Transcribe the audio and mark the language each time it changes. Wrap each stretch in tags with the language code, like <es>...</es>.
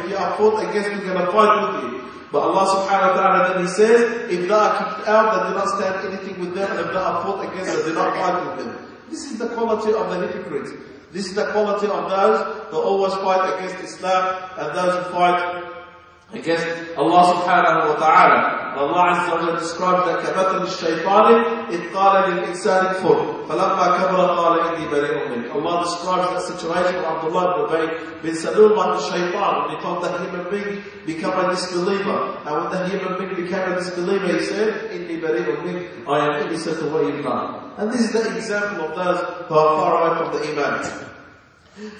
<en>If you are fought against, we're going to fight with you. But Allah subhanahu wa ta'ala then he says, if they are kicked out, they do not stand anything with them. If they are fought against, they do not fight with them. This is the quality of the hypocrites. This is the quality of those who always fight against Islam and those who fight against Allah subhanahu wa ta'ala. Allah Azza wa Jalla described that</en> <ar>كَبَتَلِ الشَّيْطَانِ إِذْ قَالَ لِلْإِنسَانِ كُفُرْ فَلَمَّا كَبْرَ قَالَ إِنِّي بَرِيءٌ مِنْكَ.</ar> <en>Allah describes that situation of Abdullah ibn Ubay bin Salul by the shaytan, when he told the human being become a disbeliever. And when the human being became a disbeliever, he said,</en> <ar>إِنِّي بَرِيءٌ مِنْكَ,</ar> <en>I am innocent of what you've done. And this is the example of those who are far away from the iman.</en>